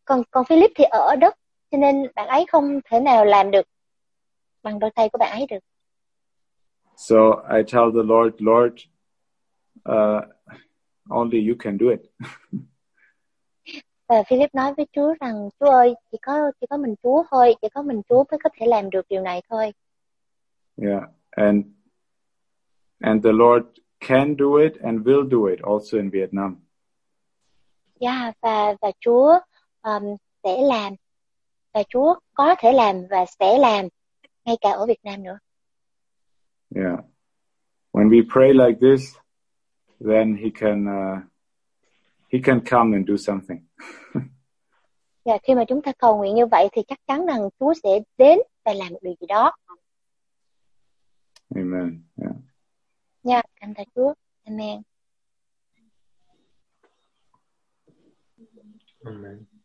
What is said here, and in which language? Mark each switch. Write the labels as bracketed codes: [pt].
[vi] còn Philip thì ở đất, cho nên bạn ấy không thể nào làm được bằng đôi tay của bạn ấy được. [en] So I tell the Lord, only you can do it. [vi] Và Philip nói với Chúa rằng, Chúa ơi, chỉ có mình Chúa thôi, chỉ có mình Chúa mới có thể làm được điều này thôi. [en] Yeah, and the Lord can do it and will do it also in Vietnam. [vi] Yeah, và Chúa sẽ làm, và Chúa có thể làm và sẽ làm ngay cả ở Việt Nam nữa. [en] Yeah, when we pray like this, then he can come and do something. [vi] Dạ, khi mà chúng ta cầu nguyện như vậy thì chắc chắn rằng Chúa sẽ đến và làm một điều gì đó. [en] Amen. [vi] Dạ, cảm tạ Chúa. Amen. [en] Amen.